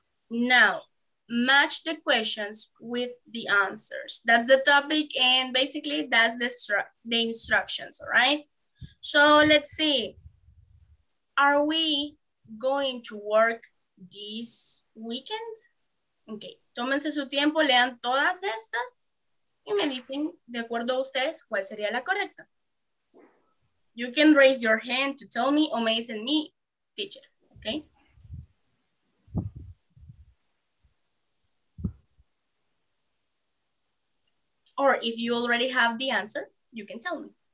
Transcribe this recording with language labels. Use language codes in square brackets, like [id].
[en] Now, match the questions with the answers. That's the topic and basically that's the instructions, all right? So let's see, are we going to work this weekend? [es] Okay, tómense su tiempo, lean todas estas y me dicen, de acuerdo a ustedes, cuál sería la correcta. [en] You can raise your hand to tell me [es] o me dicen me, [en] teacher, okay? Or if you already have the answer, you can tell me.